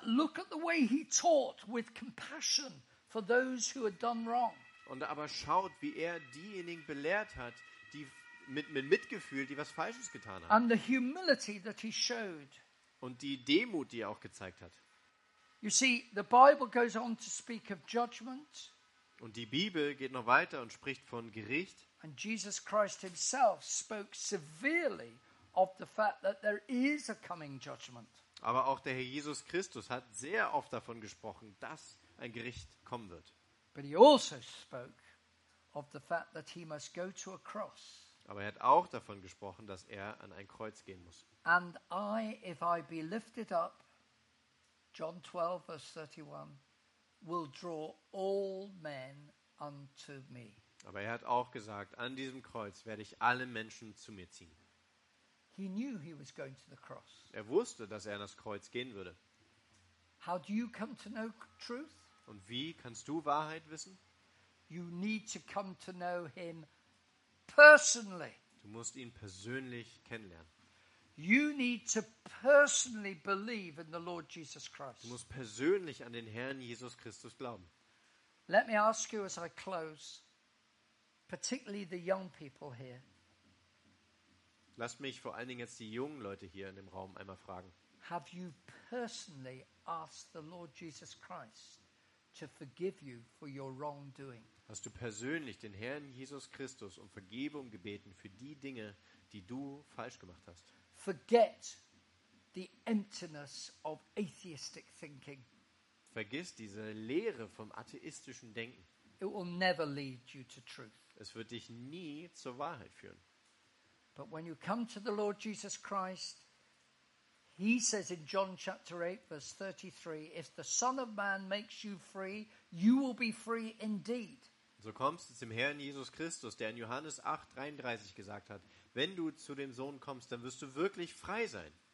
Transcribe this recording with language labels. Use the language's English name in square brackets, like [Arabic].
[English] Look at the way he taught with compassion for those who had done wrong. [German] Und aber schaut, wie er diejenigen belehrt hat, die mit Mitgefühl, die was Falsches getan haben. [English] And the humility that he showed. [German] Und die Demut, die er auch gezeigt hat. [English] You see, the Bible goes on to speak of judgment. [German] Und die Bibel geht noch weiter und spricht von Gericht. [English] And Jesus Christ himself spoke severely of the fact that there is a coming judgment. [German] Aber auch der Herr Jesus Christus hat sehr oft davon gesprochen, dass ein Gericht kommen wird. [English] But he also spoke of the fact that he must go to a cross. [German] Aber er hat auch davon gesprochen, dass er an ein Kreuz gehen muss. [English] And I, if I be lifted up, John 12, verse 31, will draw all men unto me. [German] Aber er hat auch gesagt, an diesem Kreuz werde ich alle Menschen zu mir ziehen. [English] He knew he was going to the cross. [German] Er wusste, dass er an das Kreuz gehen würde. [English] How do you come to know truth? [German] Und wie kannst du Wahrheit wissen? [English] You need to come to know him personally. [German] Du musst ihn persönlich kennenlernen. [English] You need to personally believe in the Lord Jesus Christ. [German] Du musst persönlich an den Herrn Jesus Christus glauben. [English] Let me ask you as I close, particularly the young people here. [German] Lass mich vor allen Dingen jetzt die jungen Leute hier in dem Raum einmal fragen. [English] Have you personally asked the Lord Jesus Christ to forgive you for your wrongdoing. [German] Hast du persönlich den Herrn Jesus Christus um Vergebung gebeten für die Dinge, die du falsch gemacht hast? [English] Forget the emptiness of atheistic thinking. [German] Vergiss diese Leere vom atheistischen Denken. [English] It will never lead you to truth. [German] Es wird dich nie zur Wahrheit führen. [English] But when you come to the Lord Jesus Christ, he says in John chapter 8, verse 33, if the Son of Man makes you free, you will be free indeed. [German] So kommst du zum Herrn Jesus Christus, der in Johannes 8, 33 gesagt hat, wenn du zu dem Sohn kommst, dann wirst du wirklich frei sein.